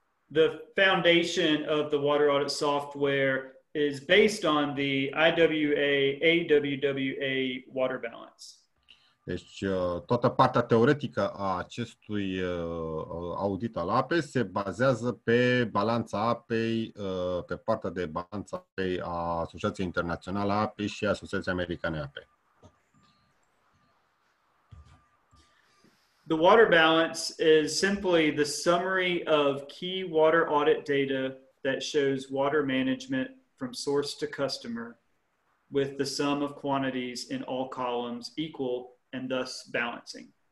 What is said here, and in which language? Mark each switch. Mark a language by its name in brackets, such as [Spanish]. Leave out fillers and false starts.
[English] The foundation of the water audit software is based on the IWA AWWA water balance. [Romanian] Deci toată partea teoretică a acestui audit al apei se bazează pe balanța apei, pe partea de balanța apei a Asociației Internaționale a Apei și Asociației Americane a Apei. [English] The water balance is simply the summary of key water audit data that shows water management from source to customer with the sum of quantities in all columns equal and thus balancing.